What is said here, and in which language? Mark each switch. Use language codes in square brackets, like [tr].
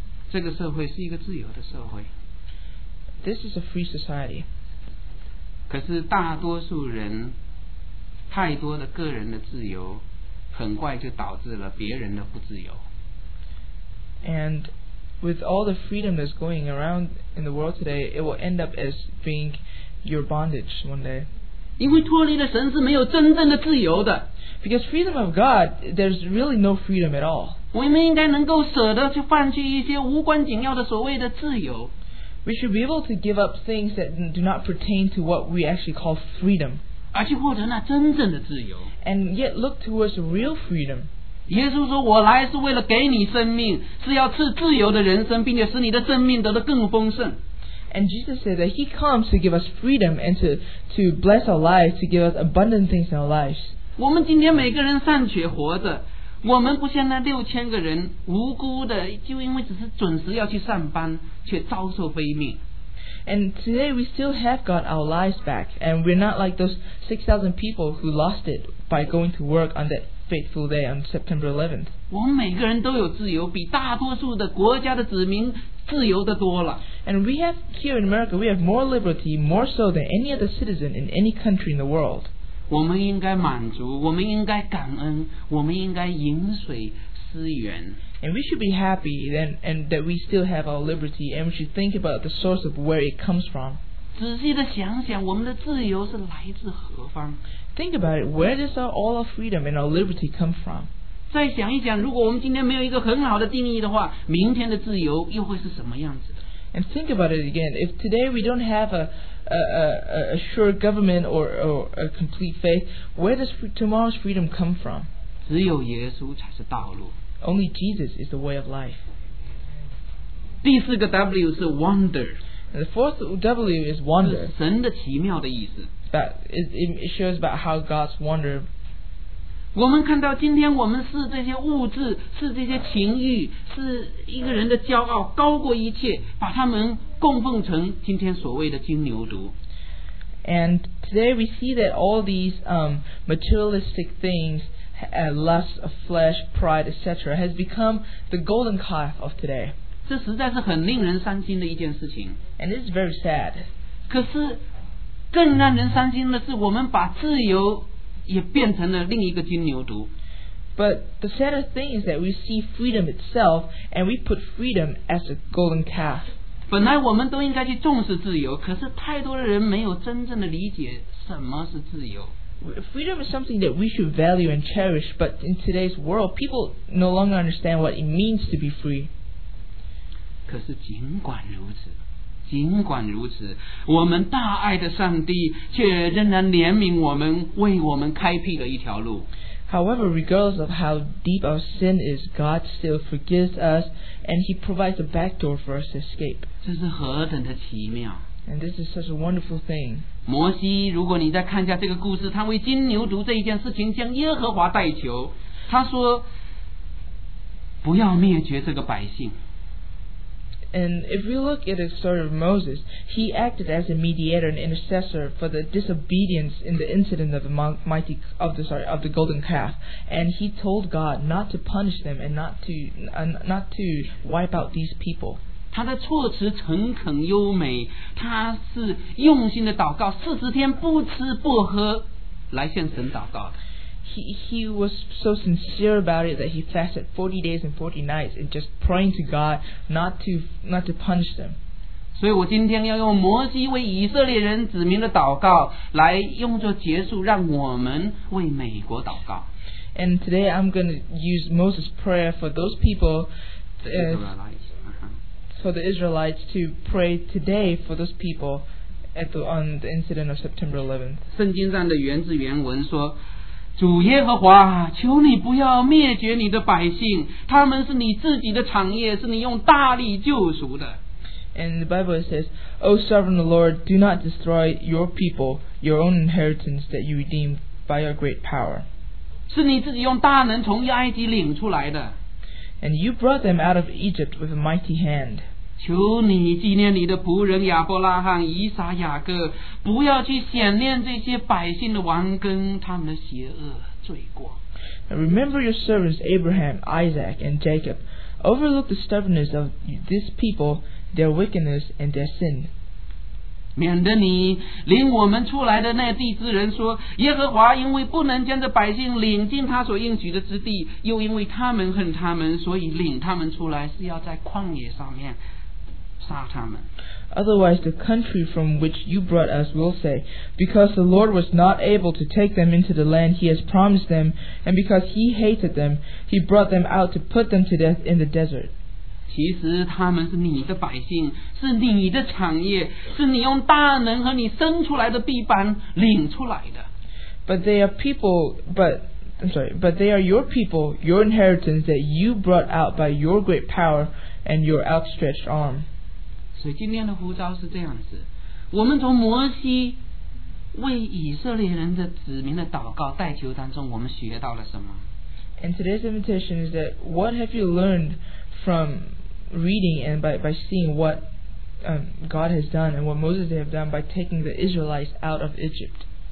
[zh] 这个社会是一个自由的社会。 [en] This is a free society. [zh] 可是大多数人，太多的个人的自由，很快就导致了别人的不自由。 [en] And... With all the freedom that's going around in the world today, it will end up as being your bondage one day. Because freedom of God, there's really no freedom at all. We should be able to give up things that do not pertain to what we actually call freedom. And yet look towards real freedom. [zh] 耶稣说我来是为了给你生命，是要赐自由的人生，并且使你的生命得得更丰盛。 [en] And Jesus said that he comes to give us freedom and to bless our lives, to give us abundant things in our lives. [zh] 我们今天每个人尚且活着，我们不像那六千个人无辜的，就因为只是准时要去上班却遭受非命。 [en] And today we still have got our lives back, and we're not like those 6,000 people who lost it by going to work on that fateful day on September 11th. [zh] 我们每个人都有自由，比大多数的国家的子民自由的多了。 [en] And we have here in America, we have more liberty, more so than any other citizen in any country in the world. [zh] 我们应该满足，我们应该感恩，我们应该饮水思源。 [en] And we should be happy then, and that we still have our liberty, and we should think about the source of where it comes from. [zh] 仔细地想想，我们的自由是来自何方？ [en] Think about it, where does all our freedom and our liberty come from? [zh] 再想一想，如果我们今天没有一个很好的定义的话，明天的自由又会是什么样子的？ [en] And think about it again, if today we don't have a sure government or a complete faith, where does tomorrow's freedom come from? [zh] 只有耶稣才是道路。 [en] Only Jesus is the way of life. [zh] 第四个 W 是 wonder. [en] The fourth W is wonder. [zh] 神的奇妙的意思。 [en] that it shows about how God's wonder. [zh] 我们看到今天我们是这些物质，是这些情欲，是一个人的骄傲高过一切，把他们供奉成今天所谓的金牛犊。 [en] And today we see that all these materialistic things, lust of flesh, pride, etc., has become the golden calf of today. [zh] 这实在是很令人伤心的一件事情。 [en] And it's very sad. [zh] 可是更让人伤心的是，我们把自由也变成了另一个金牛犊。 [en] But the saddest thing is that we see freedom itself, and we put freedom as a golden calf. [zh] 本来我们都应该去重视自由，可是太多的人没有真正的理解什么是自由。 [en] Freedom is something that we should value and cherish, but in today's world, people no longer understand what it means to be free. [zh] 可是尽管如此，尽管如此，我们大爱的上帝却仍然怜悯我们，为我们开辟了一条路。 [en] However, regardless of how deep our sin is, God still forgives us, and He provides a back door for us to escape. [zh] 这是何等的奇妙！ [en] And this is such a wonderful thing. [zh] 摩西，如果你再看一下这个故事，他为金牛犊这一件事情向耶和华代求，他说：“不要灭绝这个百姓。” [en] And if we look at the story of Moses, he acted as a mediator and intercessor for the disobedience in the incident of the golden calf. And he told God not to punish them and not to wipe out these people. [zh] 他的措辞诚恳优美，他是用心的祷告，四十天不吃不喝来向神祷告的。 [en] He was so sincere about it that he fasted 40 days and 40 nights and just praying to God not to punish them. [zh] 所以我今天要用摩西为以色列人子民的祷告来用作结束，让我们为美国祷告。 [en] And today I'm going to use Moses' prayer for those people, for the Israelites to pray today for those people on the incident of September 11th. [zh] 圣经上的原字原文说，主耶和华，求你不要灭绝你的百姓，他们是你自己的产业，是你用大力救赎的。 [en] And the Bible says, O sovereign Lord, do not destroy your people, your own inheritance that you redeemed by your great power. [zh] 是你自己用大能从埃及领出来的。 [en] And you brought them out of Egypt with a mighty hand. [zh] 求你纪念你的仆人亚伯拉罕、以撒、雅各，不要去显念这些百姓的顽根、他们的邪恶、罪过。 [en] Now remember your servants Abraham, Isaac, and Jacob. Overlook the stubbornness of this people, their wickedness, and their sin. [zh] 免得你领我们出来的那地之人说，耶和华因为不能将这百姓领进他所应许的之地，又因为他们恨他们，所以领他们出来是要在旷野上面。 [en] Otherwise, the country from which you brought us will say, because the Lord was not able to take them into the land he has promised them, and because he hated them, he brought them out to put them to death in the desert. [zh] 其实他们是你的百姓，是你的产业，是你用大能和你伸出来的臂膀领出来的。 [en] But they are your people, your inheritance that you brought out by your great power and your outstretched arm. [zh] 所以今天的呼召是这样子，我们从摩西为以色列人的子民的祷告代求当中，我们学到了什么？ [en] And today's invitation is that what have you learned from reading and by seeing what God has done and what Moses have done by taking the Israelites out of Egypt?